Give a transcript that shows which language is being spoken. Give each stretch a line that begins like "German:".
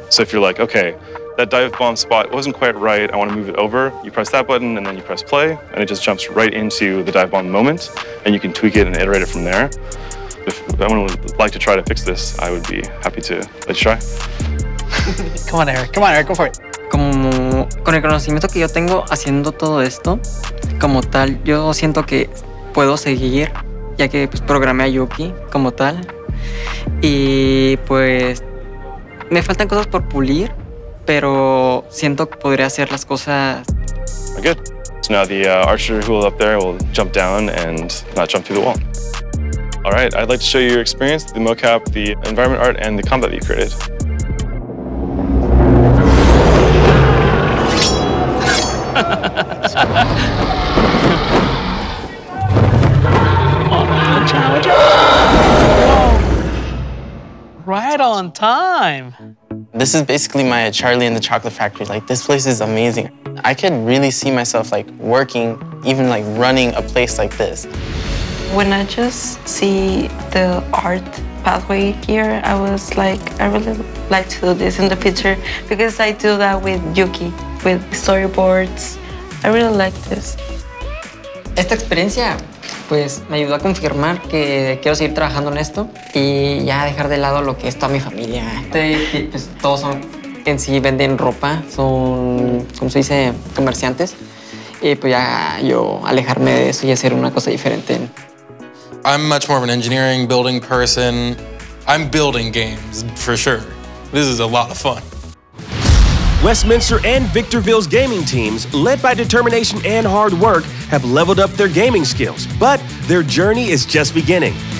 English: So if you're like, okay, that dive bomb spot wasn't quite right, I want to move it over, you press that button, and then you press play, and it just jumps right into the dive bomb moment, and you can tweak it and iterate it from there. If anyone would like to try to fix this, I would be happy to let you try. Come on, Eric. Come on, Eric. Go for it.
Spanish: Como con el conocimiento que yo tengo haciendo todo esto, como tal, yo siento que puedo seguir, ya que pues, programé a Yuki como tal. Y pues me faltan cosas por pulir, pero siento que podría hacer las cosas.
English: Very good. So now the archer who will up there will jump down and not jump through the wall. All right, I'd like to show you your experience, the mocap, the environment art, and the combat that you created. Right on time. This is basically my Charlie and the Chocolate Factory. Like, this place is amazing. I could really see myself like working, even like running a place like this. When I just see the art pathway here, I was like, I really like to do this in the future because I do that with Yuki, with storyboards. I really like this.
Spanish: Esta experiencia, pues, me ayudó a confirmar que quiero seguir trabajando en esto y ya dejar de lado lo que es toda mi familia. Pues, todos son, en sí, venden ropa, son, ¿cómo se dice?, comerciantes. Y pues ya yo alejarme de eso y hacer una cosa diferente.
English: I'm much more of an engineering, building person. I'm building games, for sure. This is a lot of fun. Westminster and Victorville's gaming teams, led by determination and hard work, have leveled up their gaming skills, but their journey is just beginning.